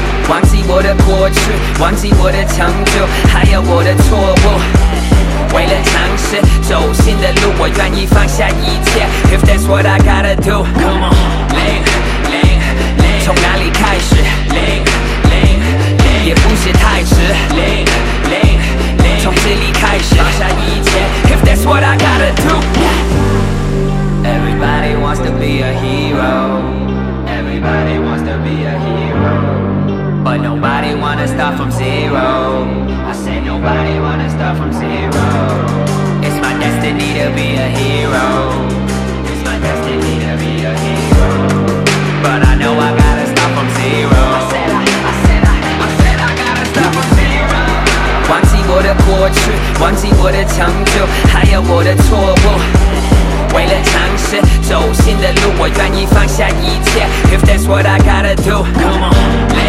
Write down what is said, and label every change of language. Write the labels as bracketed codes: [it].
[zh] 忘记我的过去, 忘记我的成就, 还有我的错误, 为了尝试, 走新的路, 我愿意放下一切, [en] if that's what I gotta do. [zh] Come on, 零, 零, 零, 从哪里开始, 零, 零, 零, 也不是太迟, 零, 零, 零, 从这里开始, 放下一切, [en] if that's what I gotta do. Everybody wants to be a hero. Everybody wants to be a hero. But nobody wanna start from zero. I say nobody wanna start from zero. It's my destiny to be a hero. It's my destiny to be a hero. But I know I gotta start from zero. I said I gotta start from zero. [zh] 忘记我的过去，忘记我的成就，还有我的错误。为了尝试，走新的路，我愿意放下一切。 [en] If that's what I gotta do. Come on.